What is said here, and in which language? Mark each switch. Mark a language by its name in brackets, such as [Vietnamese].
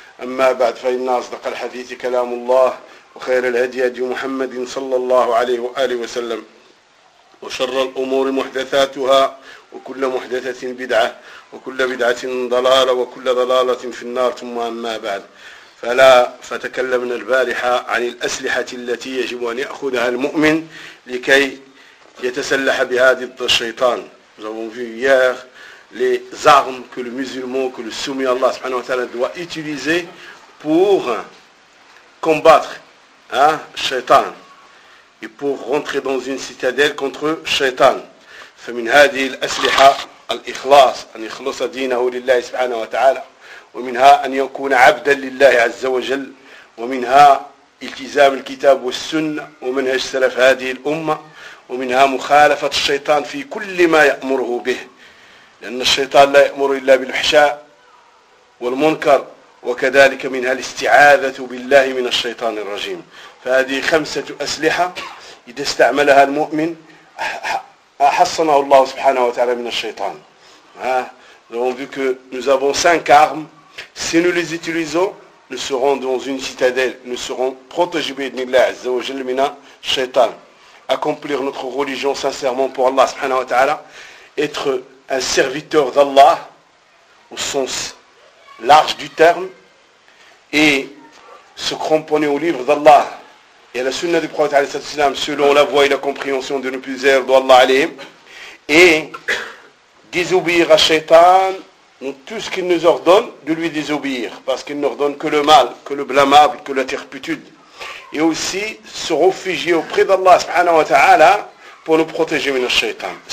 [Arabic] أما بعد، فإن أصدق الحديث كلام الله، وخير الهدي هدي محمد صلى الله عليه وآله وسلم، وشر الأمور محدثاتها، وكل محدثة بدعة، وكل بدعة ضلالة، وكل ضلالة في النار. ثم أما بعد، فتكلمنا البارحة عن الأسلحة التي يجب أن يأخذها المؤمن لكي يتسلح بها ضد الشيطان. [French] Nous avons vu hier les armes que le musulman, que le soumis à Allah subhanahu wa ta'ala doit utiliser pour combattre Shaitan, et pour rentrer dans une citadelle contre Shaitan. [Arabic] فمن هذه الأسلحة الإخلاص، أن يخلص دينه لله سبحانه وتعالى، ومنها أن يكون عبدا لله عز وجل، ومنها التزام الكتاب والسنة ومنهج سلف هذه الأمة، ومنها مخالفة الشيطان في كل ما يأمره به، لأن الشيطان لا يأمر إلا بالفحشاء والمنكر، وكذلك منها الاستعاذة بالله من الشيطان الرجيم. فهذه خمسة أسلحة إذا استعملها المؤمن حصنه الله سبحانه وتعالى من الشيطان. [French] Nous avons vu que nous avons cinq armes. Si nous les utilisons, nous serons dans une citadelle. Nous serons protégés [Arabic] بإذن الله عز وجل [French] من الشيطان. Accomplir notre religion sincèrement pour Allah [Arabic] سبحانه وتعالى. [French] Être un serviteur d'Allah au sens large du terme, et se cramponner au livre d'Allah et à la sunna du prophète selon la voie et la compréhension de nos plusieurs d'Allah alayhim, et désobéir à Shaitan dans tout ce qu'il nous ordonne, de lui désobéir, parce qu'il n'ordonne que le mal, que le blâmable, que la turpitude, et aussi se réfugier auprès d'Allah subhanahu wa ta'ala pour nous protéger de Shaitan.